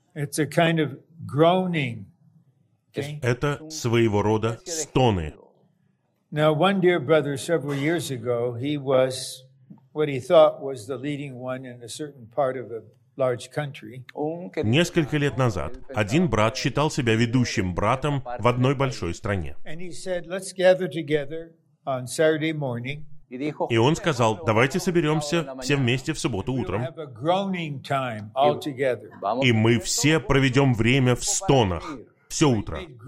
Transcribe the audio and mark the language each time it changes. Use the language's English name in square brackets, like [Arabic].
[Russian] Это своего рода стоны. [English] Now, one dear brother, several years ago, he was what he thought was the leading one in a certain part of a large country. [Russian] Несколько лет назад один брат считал себя ведущим братом в одной большой стране. [English] And he said, "Let's gather together on Saturday morning." [Russian] И он сказал: «Давайте соберемся все вместе в субботу утром, и мы все проведем время в стонах все утро».